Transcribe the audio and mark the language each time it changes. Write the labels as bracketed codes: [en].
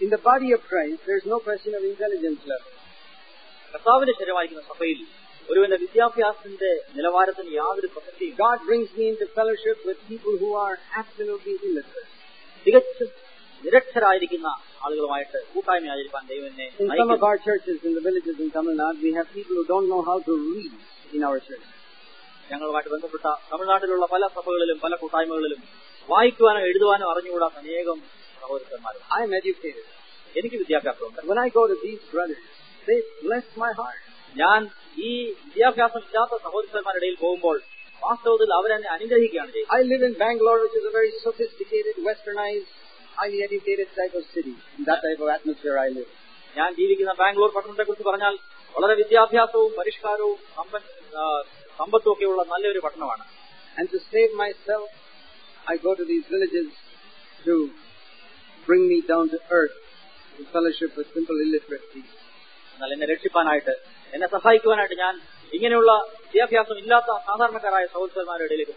[en] In the body of Christ there is no question of intelligence level. [ml] കർത്താവിന്റെ ശരീരമായിരിക്കുന്ന സഭയിൽ ഒരുവന്റെ വിദ്യാഭ്യാസത്തിന്റെ നിലവാരത്തിന് യാതൊരു പ്രസക്തിയും. [en] God brings me in to fellowship with people who are absolutely illiterate. [ml] തികച്ചും നിരക്ഷരായിരിക്കുന്ന ആളുകളുമായിട്ട് കൂട്ടായ്മ ആചരിക്കാൻ ദൈവമേ നയിക്കുന്നു. [en] In some of our churches in the villages in Tamil Nadu, we have people who don't know how to read in our church. [ml] ഞങ്ങളുമായിട്ട് ബന്ധപ്പെട്ട തമിഴ്നാട്ടിലുള്ള പല സഭകളിലും പല കൂട്ടായ്മകളിലും വായിക്കുവാനോ എഴുതുവാനോ അറിഞ്ഞുകൂടാ അനേകം സഹോദരന്മാരുണ്ട്. [en] I am educated. [ml] എനിക്ക് വിദ്യാഭ്യാസമുണ്ട്. [en] When I go to these brothers, they bless my heart. [ml] ഞാൻ ഈ വിദ്യാഭ്യാസം ഇല്ലാത്ത സഹോദരന്മാരുടെ ഇടയിൽ പോകുമ്പോൾ വാസ്തവത്തിൽ അവരെന്നെ അനുഗ്രഹിക്കുകയാണ് ചെയ്യുന്നത്. [en] I live in Bangalore, which is a very sophisticated, westernized, highly educated type of city. In that type of atmosphere I live. [ml] ഞാൻ ജീവിക്കുന്ന ബാംഗ്ലൂർ പട്ടണത്തെ കുറിച്ച് പറഞ്ഞാൽ വളരെ വിദ്യാഭ്യാസവും പരിഷ്കാരവും സമ്പത്തും ഒക്കെ ഉള്ള നല്ലൊരു പട്ടണമാണ്. [en] And to save myself, I go to these villages to bring me down to earth in fellowship with simple illiterate people. [ml] എന്നെ രക്ഷിക്കാനായിട്ട് എന്നെ സഹായിക്കുവാനായിട്ട് ഞാൻ ഇങ്ങനെയുള്ള വിദ്യാഭ്യാസം ഇല്ലാത്ത സാധാരണക്കാരായ സഹോദരന്മാരുടെ ഇടയിലേക്ക്